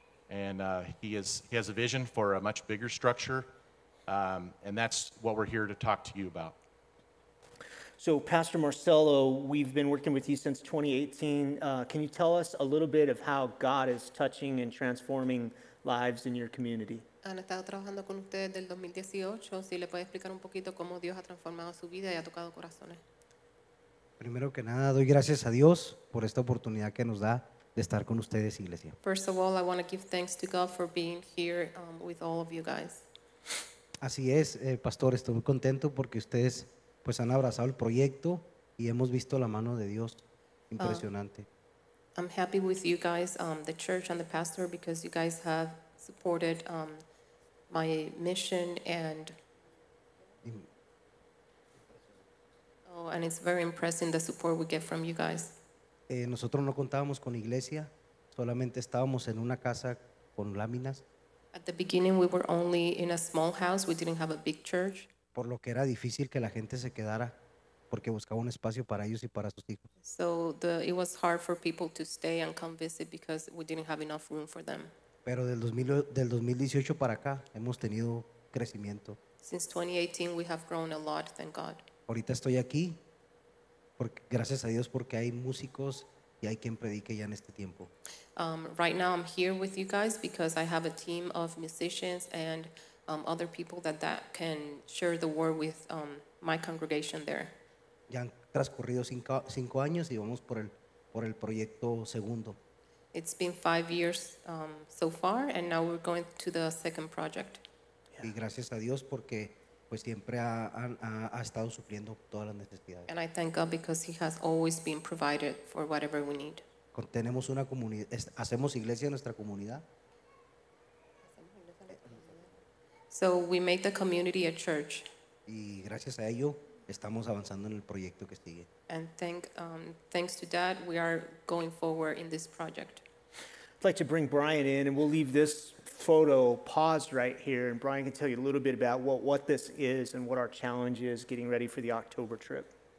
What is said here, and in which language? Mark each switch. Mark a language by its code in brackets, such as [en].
[en] And he has a vision for a much bigger structure, and that's what we're here to talk to you about. So Pastor Marcelo, we've been working with you since 2018. Can you tell us a little bit of how God is touching and transforming lives in your community? [es] Han estado trabajando con usted desde el 2018. Si le puede explicar un poquito cómo Dios ha transformado su vida y ha tocado corazones. Primero que nada, doy gracias a Dios por esta oportunidad que nos da de estar con ustedes, Iglesia. [en] First of all, I want to give thanks to God for being here with all of you guys. [es] Así es, Pastor, estoy muy contento porque ustedes pues han abrazado el proyecto y hemos visto la mano de Dios impresionante. [en] I'm happy with you guys, the church and the pastor, because you guys have supported my mission and... Oh, and it's very impressive the support we get from you guys. [es] Nosotros no contábamos con iglesia, solamente estábamos en una casa con láminas. [en] At the beginning, we were only in a small house. We didn't have a big church. [es] Por lo que era difícil que la gente se quedara porque buscaba un espacio para ellos y para sus hijos. [en] So the, it was hard for people to stay and come visit because we didn't have enough room for them. [es] Pero del 2018 para acá hemos tenido crecimiento. [en] Since 2018 we have grown a lot, thank God. [es] Ahorita estoy aquí porque gracias a Dios porque hay músicos y hay quien predique ya en este tiempo. [en] Right now I'm here with you guys because I have a team of musicians and other people that can share the word with my congregation there. [es] Ya han transcurrido cinco años y vamos por el proyecto segundo. [en] It's been 5 years so far and now we're going to the second project. [es] Y gracias a Dios porque pues siempre ha estado supliendo todas las necesidades. [en] And I thank God because he has always been provided for whatever we need. [es] Tenemos una comunidad, hacemos iglesia en nuestra comunidad. [en] So we make the community a church. [es] Y gracias a ello estamos avanzando en el proyecto que sigue. [en] And thanks to that we are going forward in this project. I'd like to bring Brian in and we'll leave this photo paused right here and Brian can tell you a little bit about what this is and what our challenge is getting ready for the October trip.